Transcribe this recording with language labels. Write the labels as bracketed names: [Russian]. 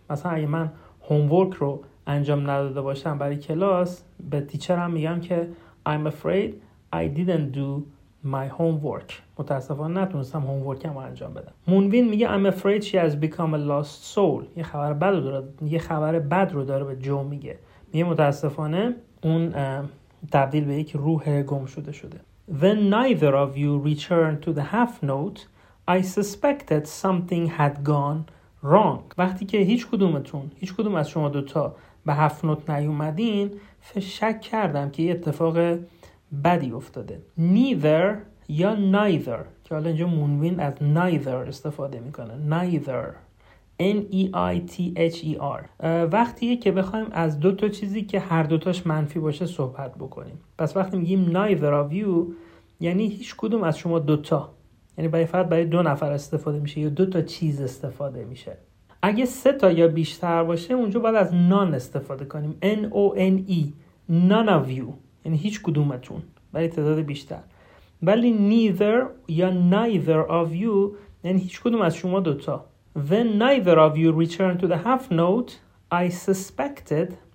[Persian] مثلا اگه من هومورک رو انجام نداده باشم برای کلاس، به تیچرم میگم که [English] I'm afraid I didn't do my homework. [Persian] متاسفانه نتونستم هومورکم رو انجام بدم. مونوین میگه [English] I'm afraid she has become a lost soul. [Persian] یه خبر بد رو داره به جو میگه. میگه متاسفانه اون تبدیل به یک روح گم شده شده. [English] When neither of you returned to the half note, I suspected something had gone wrong. [Persian] وقتی که هیچ کدوم از شما دوتا به half note نیومدین، شک کردم که یه اتفاق بدی افتاده. Neither یا neither که حالا اینجا مونوین از neither استفاده میکنه. [English] Neither. N-E-I-T-H-E-R. [Persian] وقتیه که بخوایم از دو تا چیزی که هر دوتاش منفی باشه صحبت بکنیم. پس وقتی میگیم [English] neither of you [Persian] یعنی هیچ کدوم از شما دوتا. یعنی برای فقط برای دو نفر استفاده میشه یا دو تا چیز استفاده میشه. اگه سه تا یا بیشتر باشه اونجا باید از none استفاده کنیم. [English] N-O-N-E. None of you. [Persian] یعنی هیچ کدومتون. برای تعداد بیشتر. ولی neither یا [English] neither of you [Persian] یعنی هیچ کدوم از شما دوتا. [English] When neither of you returned to the half note, I suspected.